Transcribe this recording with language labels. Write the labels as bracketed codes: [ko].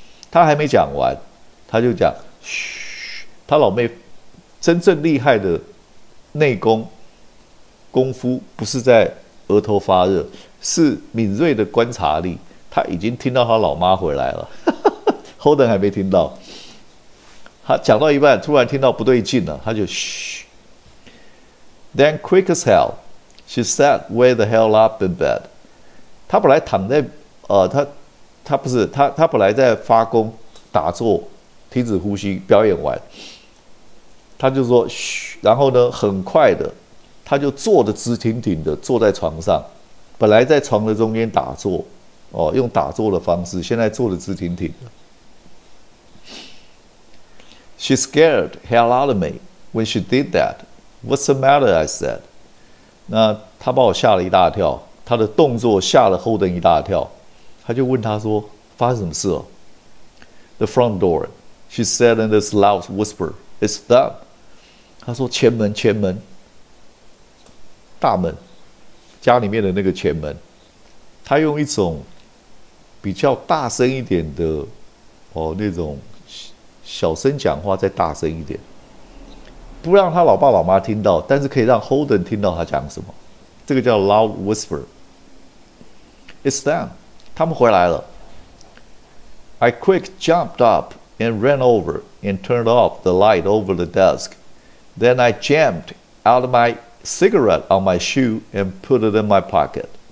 [zh] 她还没讲完，她就讲嘘，她老妹真正厉害的内功。功夫不是在额头发热，是敏锐的观察力。他已经听到他老妈回来了 ，Holden 还没听到。他讲到一半，突然听到不对劲了，他就嘘。 [en] Then quick as hell, she sat way the hell up in bed。 [zh] 他本来躺在他不是他本来在发功打坐，停止呼吸，表演完，他就说嘘，然后呢，很快的。他就坐得直挺挺的坐在床上，本来在床的中间打坐，哦，用打坐的方式，现在坐得直挺挺的。 [en] She scared hell out of me when she did that. What's the matter? I said. [zh] 那他把我吓了一大跳，他的动作吓了 Holden 一大跳，他就问他说发生什么事了。 [en] The front door, she said in this loud whisper, "It's done." [zh] 他说前门，前门。大门，家里面的那个前门，他用一种比较大声一点的，那种小声讲话，再大声一点，不让他老爸老妈听到，但是可以让 Holden 听到他讲什么。这个叫 loud whisper。 [en] It's them， [zh] 他们回来了。 [en] I quick jumped up and ran over and turned off the light over the desk. Then I jammed out of my cigarette on my shoe and put it in my pocket。